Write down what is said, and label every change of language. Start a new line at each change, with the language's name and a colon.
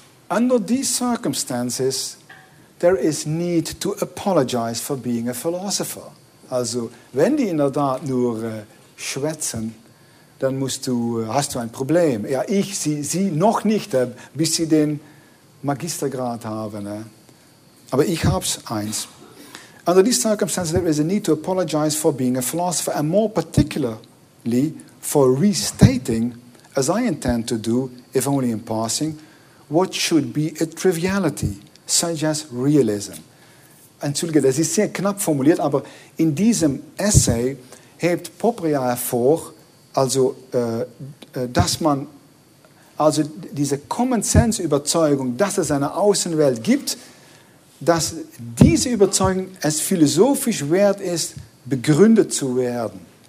English: Under these circumstances, there is need to apologize for being a philosopher.
German: Also, wenn die in der Tat nur schwätzen, dann hast du ein Problem. Ja, ich, sie noch nicht, bis sie den Magistergrad haben, ne? Aber ich hab's eins.
English: Under these circumstances, there is a need to apologize for being a philosopher, and more particularly for restating, as I intend to do, if only in passing, what should be a triviality, such as realism.
German: Entschuldige, das ist sehr knapp formuliert, aber in diesem Essay hebt Popper ja hervor, also dass man, also diese Common Sense Überzeugung, dass es eine Außenwelt gibt, dass diese Überzeugung es philosophisch wert ist, begründet zu werden.